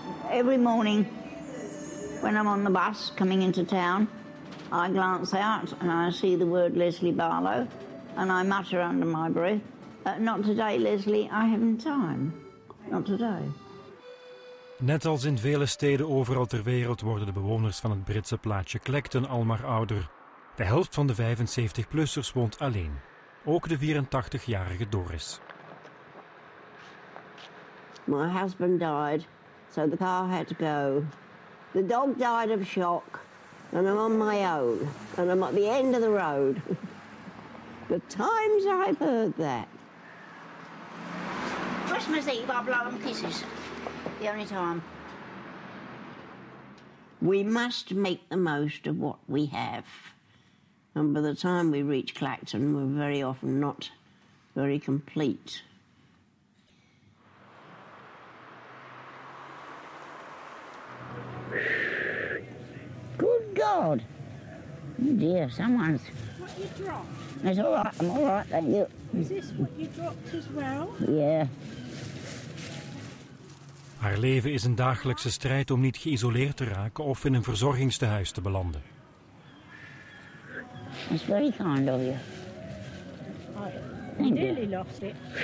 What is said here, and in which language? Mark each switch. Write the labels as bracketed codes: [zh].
[en] Every morning, when I'm on the bus coming into town, I glance out and I see the word Leslie Barlow and I mutter under my breath, not today, Leslie, I haven't time. Not today. [nl] Net als in vele steden overal ter wereld worden de bewoners van het Britse plaatsje Clacton al maar ouder. De helft van de 75-plussers woont alleen. Ook de 84-jarige Doris. [en] My husband died. So the car had to go. The dog died of shock, and I'm on my own, and I'm at the end of the road. The times I've heard that. Christmas Eve, I blow them kisses. The only time. We must make the most of what we have. And by the time we reach Clacton, we're very often not very complete. Good God. Oh dear, someone's... What you dropped? It's all right, I'm all right, thank you. Is this what you dropped as well? Yeah. [nl] Haar leven is een dagelijkse strijd om niet geïsoleerd te raken of in een verzorgingstehuis te belanden. [en] It's very kind of you. I nearly lost it.